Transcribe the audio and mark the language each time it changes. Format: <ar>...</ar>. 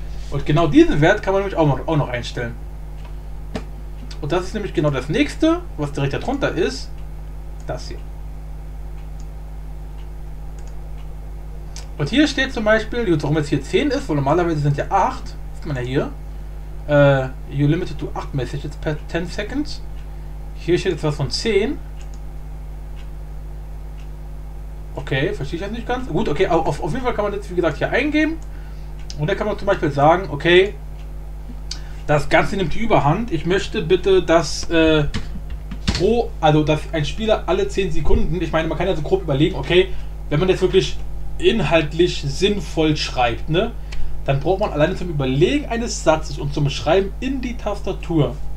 <de>Und genau diesen Wert kann man nämlich auch noch einstellen. Und das ist nämlich genau das nächste, was direkt darunter ist, das hier. Und hier steht zum Beispiel, warum jetzt hier 10 ist, weil normalerweise sind ja 8, sieht man ja hier.</de> <en>You're limited to 8 messages per 10 seconds.</en> <de>Hier steht jetzt was von 10. Okay, verstehe ich jetzt nicht ganz. Gut, okay, auf jeden Fall kann man jetzt wie gesagt hier eingeben. Und da kann man zum Beispiel sagen, okay, das Ganze nimmt die Überhand. Ich möchte bitte, dass dass ein Spieler alle 10 Sekunden, ich meine, man kann ja so grob überlegen, okay, wenn man jetzt wirklich inhaltlich sinnvoll schreibt, ne, dann braucht man alleine zum Überlegen eines Satzes und zum Schreiben in die Tastatur.</de>